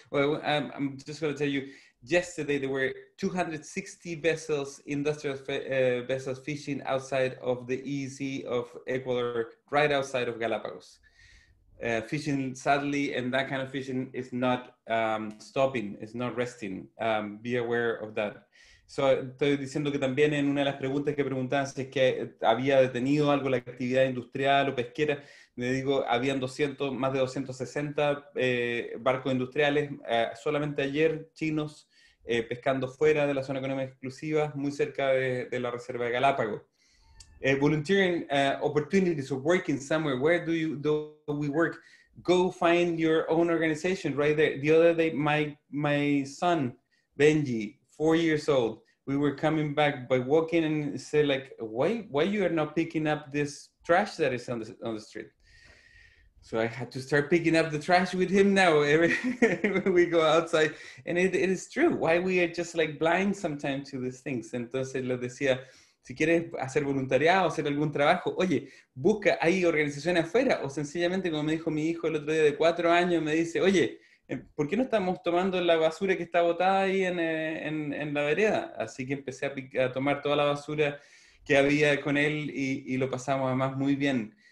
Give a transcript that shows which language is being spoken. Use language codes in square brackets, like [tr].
[en] Well, I'm just going to tell you, yesterday there were 260 vessels, industrial vessels fishing outside of the EEZ of Ecuador, right outside of Galapagos. Fishing, sadly, and that kind of fishing is not stopping, is not resting. Be aware of that. [es] So, estoy diciendo que también en una de las preguntas que preguntaban si es que había detenido algo la actividad industrial o pesquera, le digo, habían 200, más de 260 barcos industriales, solamente ayer, chinos, pescando fuera de la zona económica exclusiva, muy cerca de la Reserva de Galápagos. [en] Volunteering opportunities or working somewhere, where do we work? Go find your own organization right there. The other day, my son, Benji, 4 years old, we were coming back by walking and say like, why you are not picking up this trash that is on the street? So I had to start picking up the trash with him now when we go outside. And it is true, why we are just like blind sometimes to these things. [es] Entonces le decía, si quieres hacer voluntariado, hacer algún trabajo, oye, busca, hay organizaciones afuera. O sencillamente, como me dijo mi hijo el otro día de 4 años, me dice, oye, ¿por qué no estamos tomando la basura que está botada ahí en la vereda? Así que empecé a tomar toda la basura que había con él y lo pasamos además muy bien.